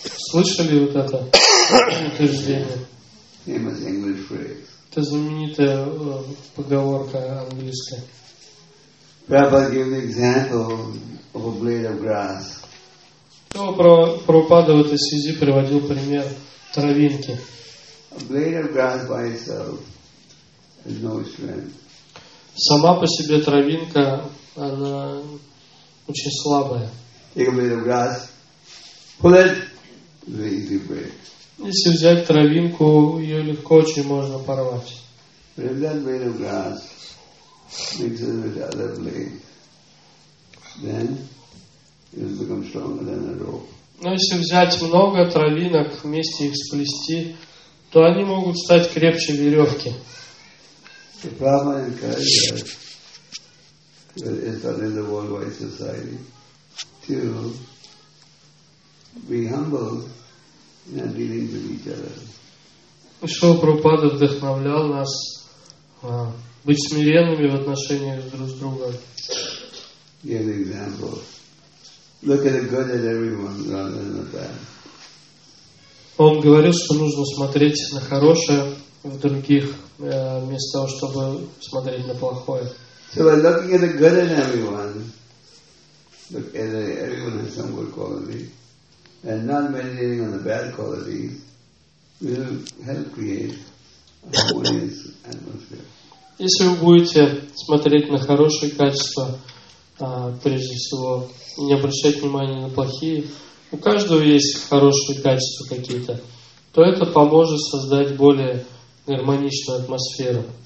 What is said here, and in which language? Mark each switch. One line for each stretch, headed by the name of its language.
Russian: Слышали вот это утверждение?
English: Famous English phrase.
Russian: Это знаменитая поговорка английская.
English: Prabhupada gave the example of a blade of grass.
Russian: Прабхупада в этой связи приводил пример травинки.
English: A blade of grass by itself has no strength.
Russian: Сама по себе травинка, она очень слабая.
English: Take a blade of grass, pull it, very easy break.
Russian: Если взять травинку, ее легко очень можно порвать.
English: If that blade of grass mixes with other blades, then it becomes stronger than a rope.
Russian: Но если взять много травинок, вместе их сплести, то они могут стать крепче веревки.
English: The Prabhupada encouraged us to establish the worldwide society to be humble in our dealings with each other.
Russian: Шрила Прабхупада вдохновлял нас быть смиренными в отношениях друг с другом.
English: Give an example. Look at the good in everyone rather than the bad.
Russian: Он говорил, что нужно смотреть на хорошее в других, вместо того, чтобы смотреть на плохое.
English: So by looking at the good in everyone, look at everyone has some good quality, and not meditating on the bad qualities, will help create a harmonious atmosphere.
Russian: Если вы будете смотреть на хорошие качества, прежде всего, не обращать внимания на плохие, у каждого есть хорошие качества какие-то, то это поможет создать более гармоничную атмосферу.